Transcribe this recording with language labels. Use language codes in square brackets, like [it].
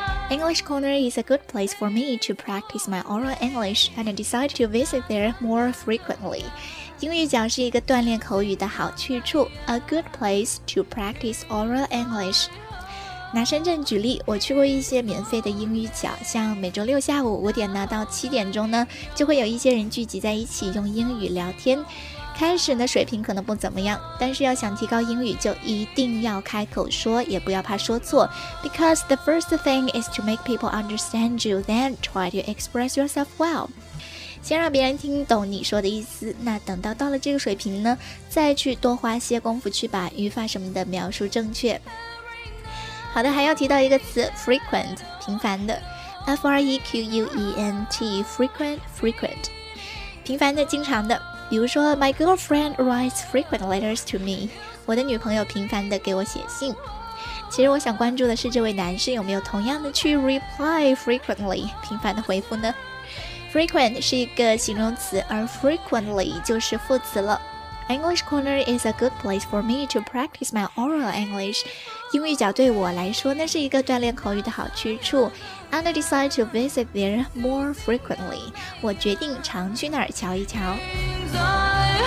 [en] English Corner is a good place for me to practice my oral English and decide to visit there more frequently. [zh] 英语角是一个锻炼口语的好去处。 [en] A good place to practice oral English. [zh] 拿深圳举例，我去过一些免费的英语角，像每周六下午5点呢到7点呢，就会有一些人聚集在一起用英语聊天。开始呢水平可能不怎么样，但是要想提高英语就一定要开口说，也不要怕说错。 [en] Because the first thing is to make people understand you, then try to express yourself well. [zh] 先让别人听懂你说的意思，那等到了这个水平呢，再去多花些功夫去把语法什么的描述正确。好的，还要提到一个词 frequent， 频繁的 F-R-E-Q-U-E-N-T， frequent， 频繁的，经常的。比如说 [en] My girlfriend writes frequent letters to me， [zh] 我的女朋友频繁的给我写信。其实我想关注的是这位男士有没有同样的去 [en] reply frequently， [zh] 频繁的回复呢。 Frequent 是一个形容词，而 frequently 就是副词了。 [en] English Corner is a good place for me to practice my oral English. [zh] 英语角对我来说，那是一个锻炼口语的好去处。 [en] And I decide to visit there more frequently. [zh] 我决定常去那儿瞧一瞧。